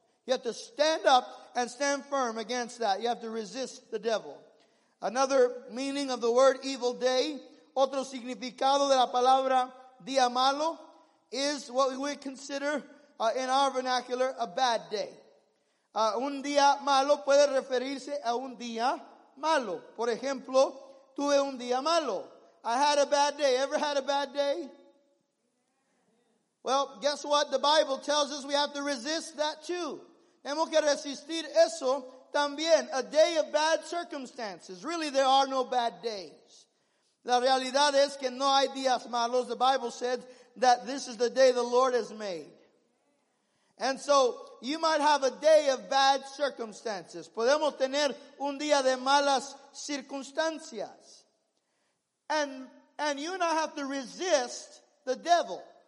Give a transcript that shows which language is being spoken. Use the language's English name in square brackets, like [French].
[English] You have to stand up and stand firm against that. You have to resist the devil. Another meaning of the word evil day, [Spanish] otro significado de la palabra día malo, [English] is what we would consider in our vernacular a bad day. [Spanish] Un día malo puede referirse a un día malo. Por ejemplo, tuve un día malo. [English] I had a bad day. Ever had a bad day? Well, guess what? The Bible tells us we have to resist that too. [Spanish] Tenemos que resistir eso también. [English] A day of bad circumstances. Really, there are no bad days. [Spanish] La realidad es que no hay días malos. [English] The Bible said that this is the day the Lord has made. And so, you might have a day of bad circumstances. [Spanish] Podemos tener un día de malas circunstancias. [English] And you and I have to resist the devil.